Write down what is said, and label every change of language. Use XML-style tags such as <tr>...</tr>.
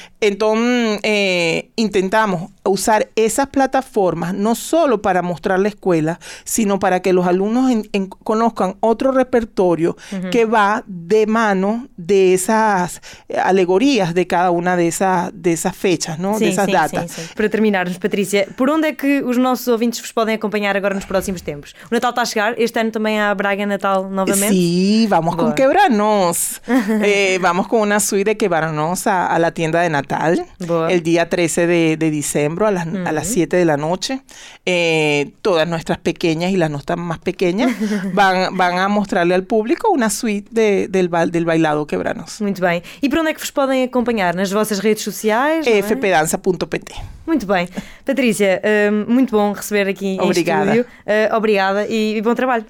<es>Entonces, intentamos usar esas plataformas, no solo para mostrar la escuela, sino para que los alumnos conozcan otro repertorio, uh-huh, que va de mano de esas alegorías de cada una de esas fechas, ¿no? Sí, de esas datas. Sí, sí, sí. Para terminarnos, Patrícia, ¿por dónde es que los nossos ouvintes vos pueden acompañar</es> <pt>agora nos próximos tempos? O Natal está a chegar, este ano também há Braga Natal novamente? Sim, sí, vamos. Boa. Com Quebranos. vamos com uma suíte de Quebranos a la tienda de Natal. Boa.</pt> <es>El día 13 de dezembro a las 7 de la noche. Todas nuestras pequeñas y las no tan más pequeñas van a mostrarle al público una suíte del bailado Quebranos.</es> <pt>Muito bem. E para onde é que vos podem acompanhar? Nas vossas redes sociais? fpdanza.pt. Muito bem. Patrícia, muito bom receber aqui em estúdio. Obrigada. Obrigada e bom trabalho.</pt>